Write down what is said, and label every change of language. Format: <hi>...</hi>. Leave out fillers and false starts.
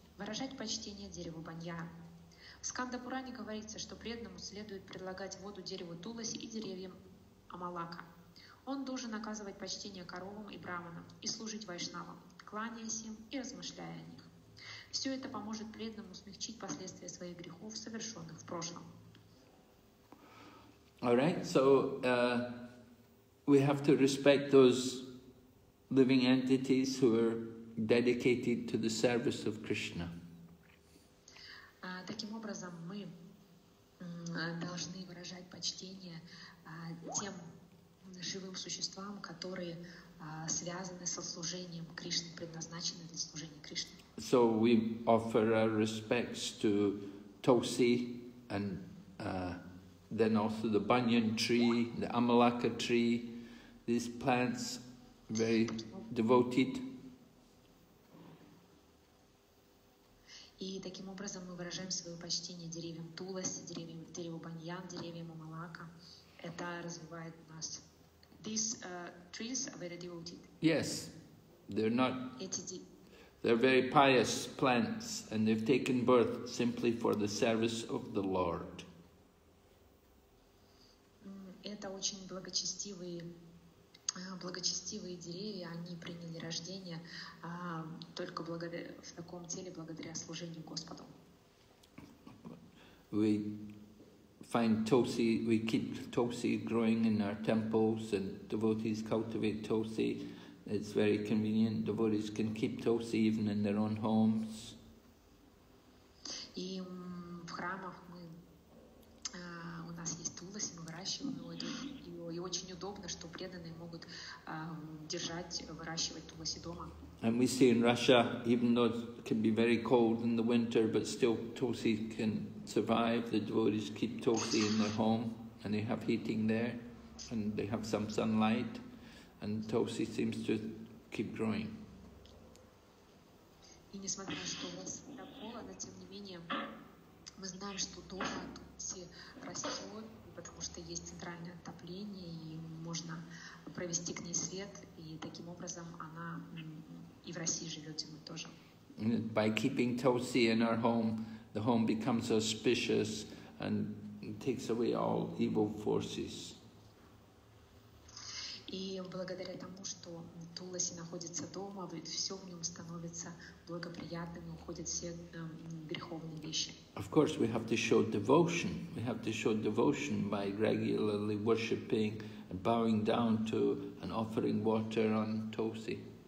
<ru>Выражать почтение дереву Банья. В Скандапуране говорится, что преданному следует предлагать воду дереву Туласи и деревьям Амалака. Он должен оказывать почтение коровам и браманам и служить вайшнавам, кланяясь им и размышляя о них. Все это поможет преданному смягчить последствия своих грехов, совершенных в прошлом.</ru> <en>All right, so we have to respect those living entities who are dedicated to the service of Krishna.</en> <ru>Таким образом, мы должны выражать почтение тем живым существам, которые связаны со служением Кришны, предназначены для служения Кришны.</ru> <en>So we offer our respects to Tulsi and then also the banyan tree, the amalaka tree, these plants very devoted.</en> <ru>И таким образом мы выражаем свое почтение деревьям Туласи, дереву Баньян, деревьям Амалака. Это развивает нас.</ru> <en>These trees are very devoted. Yes, they're not. They're very pious plants, and they've taken birth simply for the service of the Lord.</en> <ru>Это очень благочестивые. Благочестивые деревья, они приняли рождение только в таком теле благодаря служению Господу.</ru> <en>We find Tulsi, we keep Tulsi growing in our temples and devotees cultivate Tulsi. It's very convenient. Devotees can keep Tulsi even in their own homes.</en> <ru>И в храмах мы у нас есть Тулас, мы выращиваем его. И очень удобно, что преданные могут держать, выращивать туласи дома.</ru> <en>And we see in Russia, even though it can be very cold in the winter, but still tulsi can survive. The devotees keep tulsi in their home, and they have heating there, and they have some sunlight, and tulsi seems to keep growing.</en> <ru>И несмотря на то, что у вас так холодно, тем не менее, мы знаем, что дома тулси растет. потому что есть центральное отопление, и можно провести к ней свет, и таким образом она и в России живет зимой тоже.</ru> <en>By keeping Tosi in our home, the home becomes auspicious and takes away all evil forces.</en> <ru>И благодаря тому, что Туласи находится дома, все в нем становится благоприятным, уходят все греховные вещи.</ru> <en>Of course, we have to show devotion. We have to show devotion by regularly worshipping and bowing down to and offering water on Tosi.</en>